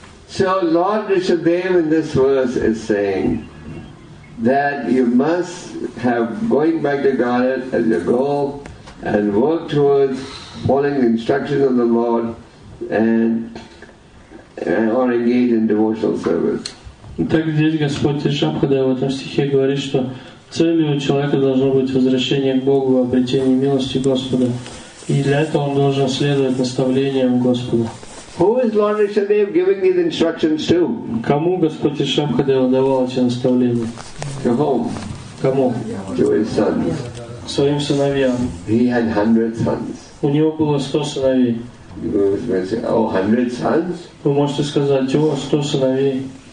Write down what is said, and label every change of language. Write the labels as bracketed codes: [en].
[en] So Lord Rishabdev in this verse is saying that you must have going back to Godhead as your goal and work towards following the instructions of the Lord and or engage in devotional service. [ru] Так здесь Господь Шабхадева в этом стихе говорит, что целью человека должно быть возвращение к Богу, обретение милости Господа. И для этого он должен следовать наставлениям Господа. [en] Who is Lord Rishabhdev giving these instructions to? [ru] Кому Господь Ришабхадева давал эти наставления? [en] To whom? [ru] Кому? [en] To his sons. [ru] Своим сыновьям. [en] He had 100 sons. [ru] У него было 100 сыновей. [en] You may say, oh, 100 sons? [ru] Вы можете сказать, о, 100 сыновей.